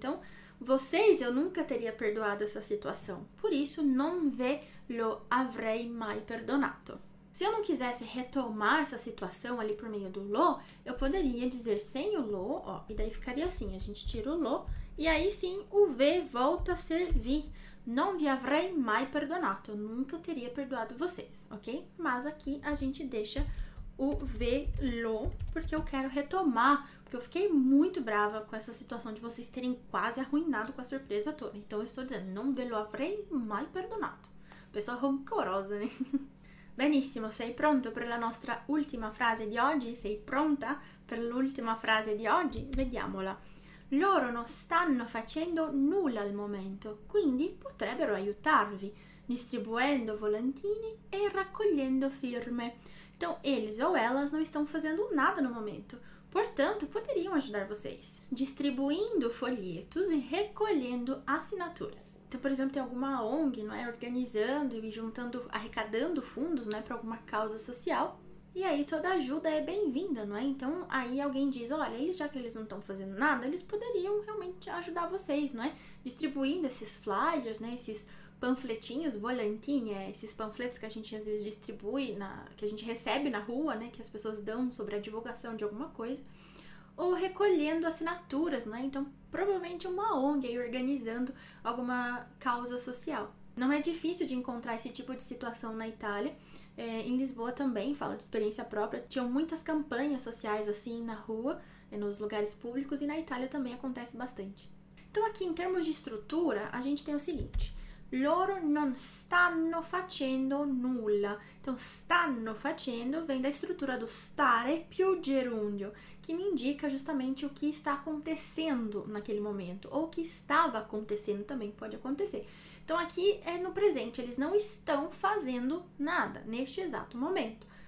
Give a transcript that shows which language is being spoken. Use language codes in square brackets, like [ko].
[pt] Então, vocês, eu nunca teria perdoado essa situação. Por isso, [it] non ve lo avrei mai perdonato. [pt] Se eu não quisesse retomar essa situação ali por meio do lo, eu poderia dizer sem o lo, ó. E daí ficaria assim, a gente tira o lo. E aí sim, o ve volta a ser vi. [it] Non vi avrei mai perdonato. [pt] Eu nunca teria perdoado vocês, ok? Mas aqui a gente deixa o ve lo, porque eu quero retomar. Porque eu fiquei muito brava com essa situação de vocês terem quase arruinado com a surpresa toda. Então, eu estou dizendo, [it] non ve lo avrei mai perdonato. [pt] Pessoa rancorosa, né? [it] Benissimo, sei pronto per la nostra ultima frase di oggi? Sei pronta per l'ultima frase di oggi? Vediamola. Loro non stanno facendo nulla al momento, quindi potrebbero aiutarvi distribuendo volantini e raccogliendo firme. [pt] Então, eles ou elas não estão fazendo nada no momento, portanto, poderiam ajudar vocês distribuindo folhetos e recolhendo assinaturas. Então, por exemplo, tem alguma ONG, não é, organizando e juntando, arrecadando fundos, né, para alguma causa social. E aí toda ajuda é bem-vinda, não é? Então aí alguém diz, olha, já que eles não estão fazendo nada, eles poderiam realmente ajudar vocês, não é? Distribuindo esses flyers, né? Esses panfletinhos, volantini, esses panfletos que a gente às vezes distribui, que a gente recebe na rua, né? Que as pessoas dão sobre a divulgação de alguma coisa. Ou recolhendo assinaturas, não é? Então provavelmente uma ONG aí organizando alguma causa social. Não é difícil de encontrar esse tipo de situação na Itália. É, em Lisboa também, falo de experiência própria, tinham muitas campanhas sociais assim na rua, nos lugares públicos, e na Itália também acontece bastante. Então aqui, em termos de estrutura, a gente tem o seguinte. [it] Loro non stanno facendo nulla. [pt] Então, [it] stanno facendo [pt] vem da estrutura do stare più gerúndio, que me indica justamente o que está acontecendo naquele momento, ou o que estava acontecendo também, pode acontecer. Então, aqui é no presente, eles não estão fazendo nada neste exato momento.